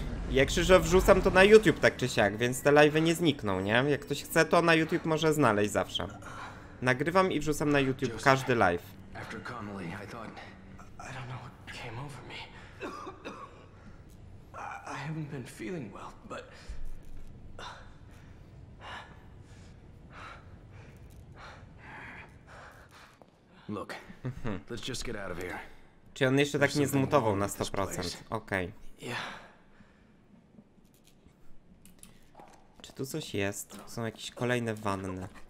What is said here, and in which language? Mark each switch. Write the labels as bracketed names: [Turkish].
[Polish] Jak krzyżę wrzucam, to na YouTube tak czy siak, więc te live'y nie znikną, nie? Jak ktoś chce, to na YouTube może znaleźć zawsze. Nagrywam i wrzucam na YouTube każdy live. [English] After Connelly, I thought, I don't know what came over me. I haven't been feeling well, but look, let's just get out of here. [Polish] Czy on jeszcze tak nie zmutował na 100%? Okej. Okay. Czy tu Tu coś jest. Są jakieś kolejne wanny.